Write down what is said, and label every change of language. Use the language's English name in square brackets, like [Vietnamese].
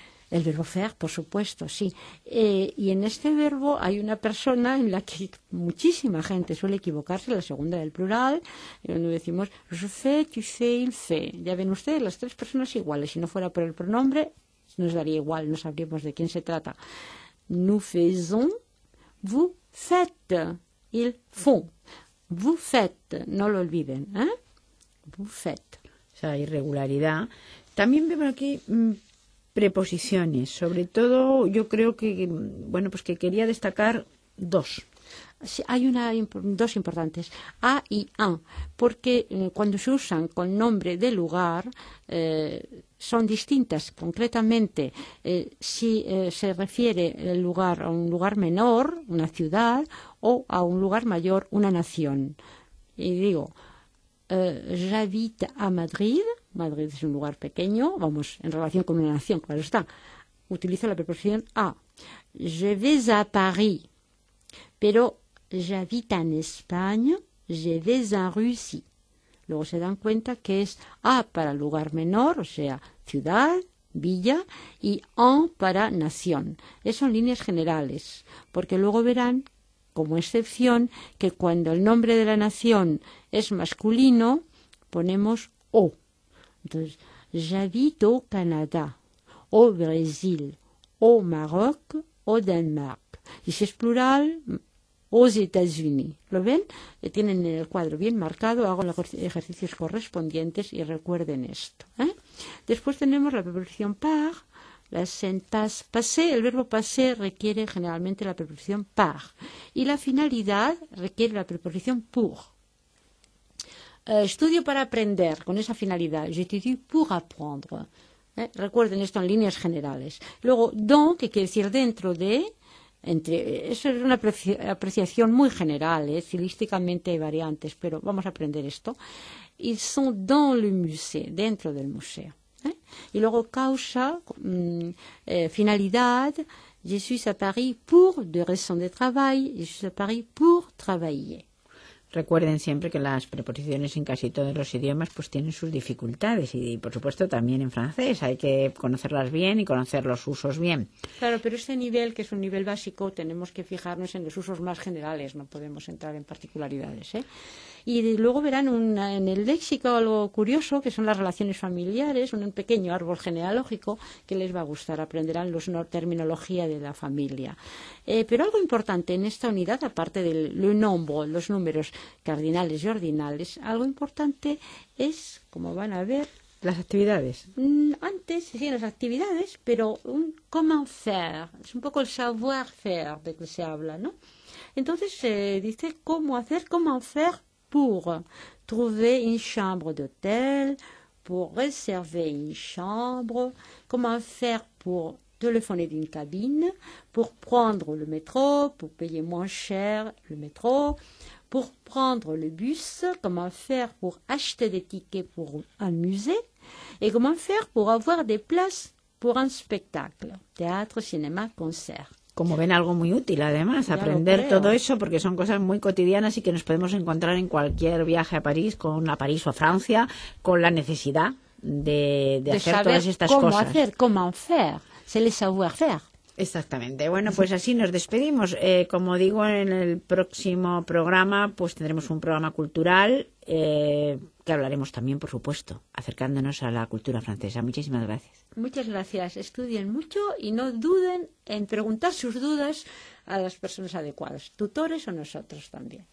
[Spanish] El verbo faire, por supuesto, sí. Y en este verbo hay una persona en la que muchísima gente suele equivocarse, la segunda del plural, donde decimos [French] je fais, tu fais, il fait. [Spanish] Ya ven ustedes, las tres personas iguales. Si no fuera por el pronombre, nos daría igual, no sabríamos de quién se trata. [French] Nous faisons, vous faites, ils font. Vous faites, [Spanish] no lo olviden, ¿eh? [French] Vous faites. [Spanish] O sea, irregularidad. También vemos aquí preposiciones. Sobre todo, yo creo que, bueno, pues que quería destacar dos. Sí, hay dos importantes, a y un, porque cuando se usan con nombre de lugar son distintas. Concretamente, si se refiere el lugar a un lugar menor, una ciudad, o a un lugar mayor, una nación. [French] Y digo, j'habite à Madrid. [Spanish] Madrid es un lugar pequeño, vamos, en relación con una nación, claro está. Utilizo la preposición a. [French] Je vais à Paris. [Spanish] Pero [French] j'habite en España, Je vais en Russie. [Spanish] Luego se dan cuenta que es a para lugar menor, o sea, ciudad, villa, y en para nación. Eso en líneas generales, porque luego verán, como excepción, que cuando el nombre de la nación es masculino, ponemos o. Entonces, [French] j'habite au Canada, au Brésil, au Maroc, au Danemark. [Spanish] Y si es plural, [French] aux États-Unis. [Spanish] ¿Lo ven? Tienen el cuadro bien marcado, hago los ejercicios correspondientes y recuerden esto. Después tenemos la preposición par, la sentence passé. El verbo passé requiere generalmente la preposición par. Y la finalidad requiere la preposición pour. Estudio para aprender, con esa finalidad. [French] J'étudie pour apprendre. [Spanish] Recuerden esto en líneas generales. Luego, don, que quiere decir dentro de. Entre, eso es una apreciación muy general, estilísticamente hay variantes, pero vamos a aprender esto. [French] Ils sont dans le musée, [Spanish] dentro del museo. Y luego, causa, finalidad. [French] Je suis à Paris pour des raisons de travail. Je suis à Paris pour travailler. [Spanish] Recuerden siempre que las preposiciones en casi todos los idiomas pues tienen sus dificultades y por supuesto también en francés. Hay que conocerlas bien y conocer los usos bien. Claro, pero este nivel, que es un nivel básico, tenemos que fijarnos en los usos más generales. No podemos entrar en particularidades, Y luego verán en el léxico algo curioso, que son las relaciones familiares, un pequeño árbol genealógico que les va a gustar. Aprenderán la terminología de la familia. Pero algo importante en esta unidad, aparte del [French] le nombre, [Spanish] los números cardinales y ordinales, algo importante es, como van a ver... Las actividades. Antes, sí, las actividades, pero [French] un comment faire. [Spanish] Es un poco el savoir faire de que se habla, ¿no? Entonces se dice cómo hacer, [French] comment faire. Pour trouver une chambre d'hôtel, pour réserver une chambre, comment faire pour téléphoner d'une cabine, pour prendre le métro, pour payer moins cher le métro, pour prendre le bus, comment faire pour acheter des tickets pour un musée, et comment faire pour avoir des places pour un spectacle, théâtre, cinéma, concert. [Spanish] Como ven, algo muy útil, además, ya aprender todo eso, porque son cosas muy cotidianas y que nos podemos encontrar en cualquier viaje a París, con a París o a Francia, con la necesidad de hacer todas estas cómo cosas. Cómo hacer, [French] comment faire, c'est le savoir faire. [Spanish] Exactamente. Bueno, pues así nos despedimos. Como digo, en el próximo programa, pues tendremos un programa cultural que hablaremos también, por supuesto, acercándonos a la cultura francesa. Muchísimas gracias. Muchas gracias. Estudien mucho y no duden en preguntar sus dudas a las personas adecuadas, tutores o nosotros también.